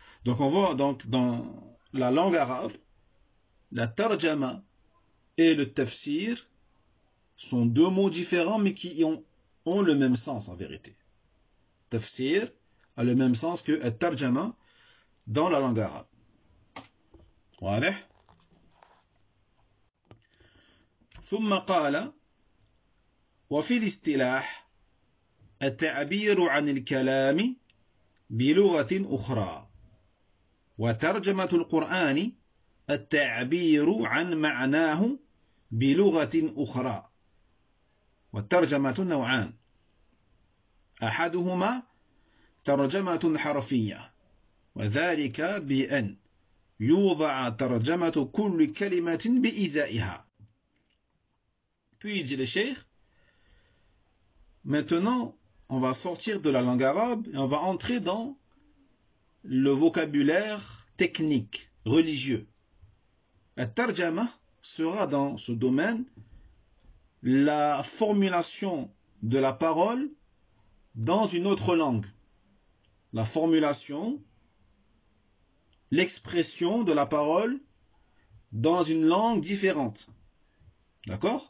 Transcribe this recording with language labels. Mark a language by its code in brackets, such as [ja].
[fr] Donc, on voit donc dans la langue arabe, la tarjama et le tafsir sont deux mots différents, mais qui ont le même sens en vérité. Tafsir a le même sens que la tarjama dans la langue arabe. Voilà. [ar] ثم قال وفي الاصطلاح التعبير عن الكلام بلغة أخرى وترجمة القرآن التعبير عن معناه بلغة أخرى والترجمة نوعان أحدهما ترجمة حرفية وذلك بأن يوضع ترجمة كل كلمة بإزائها [fr] puis dit le cheikh maintenant on va sortir de la langue arabe et on va entrer dans le vocabulaire technique, religieux. La tarjama sera dans ce domaine la formulation de la parole dans une autre langue. La formulation, l'expression de la parole dans une langue différente. D'accord?